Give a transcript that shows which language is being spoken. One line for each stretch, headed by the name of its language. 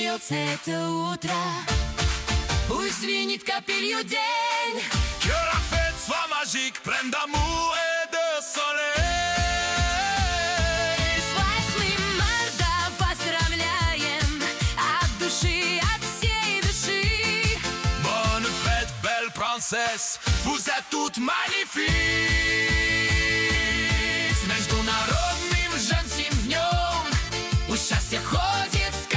Russian: Это утро, пусть звенит капелью день.
French: Que la fête soit magique, pleine d'amour et de soleil.
Russian: С 8 марта поздравляем от души, от всей души.
French: Bonne fête, belle princesse, vous êtes toutes magnifiques.
Russian: С международным женским днем у счастья ходит.